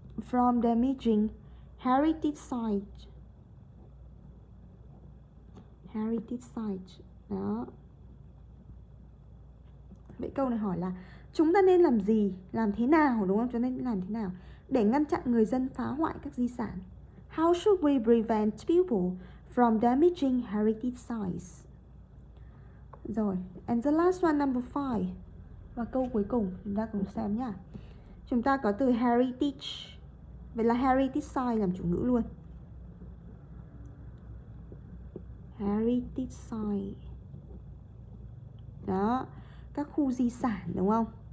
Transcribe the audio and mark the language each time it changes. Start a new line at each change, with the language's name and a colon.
English: From damaging heritage site. Heritage site. Đó.
Vietnamese: Vậy câu này hỏi là chúng ta nên làm gì, làm thế nào, đúng không? Chúng ta nên làm thế nào để ngăn chặn người dân phá hoại các di sản.
English: How should we prevent people from damaging heritage sites? Rồi, and the last one, number 5.
Vietnamese: Và câu cuối cùng, chúng ta cùng xem nhá. Chúng ta có từ heritage. Vậy là heritage site làm chủ ngữ luôn. Heritage site. Đó, các khu di sản, đúng không?